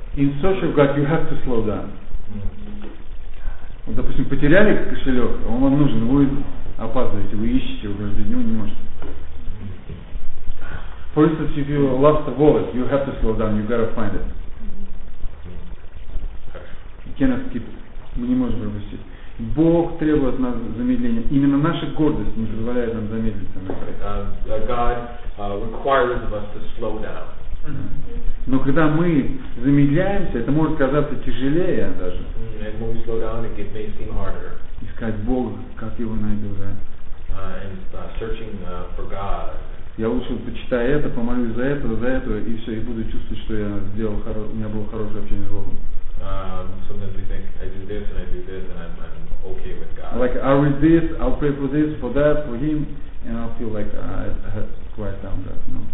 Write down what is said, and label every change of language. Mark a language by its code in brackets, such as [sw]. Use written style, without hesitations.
[en] In search of God, you have to slow down. [ru] Вот, допустим, потеряли кошелек, он вам нужен, вы опаздываете, вы ищете, вы каждый день не можете. [en] For instance, if you lost a wallet, you have to slow down, you gotta find it. You cannot skip it. [ru] Мы не можем пропустить. Бог требует от нас замедления. Именно наша гордость не позволяет нам замедлиться. [en] God requires of us to slow down. [ru] Но когда мы замедляемся, это может казаться тяжелее даже. [en] And when we slow down, it may seem harder. [ru] Искать Бога, как его найду, да? [en] Searching for God. [ru] Я лучше почитаю это, помолюсь за это, за это, и все, и буду чувствовать, что я сделал у меня было хорошее общение с Богом. [en] Sometimes we think I do this and I do this and I'm okay with God. Like I read this, I'll pray for this, for that, for him, and I'll feel like I have quiet down God, you know.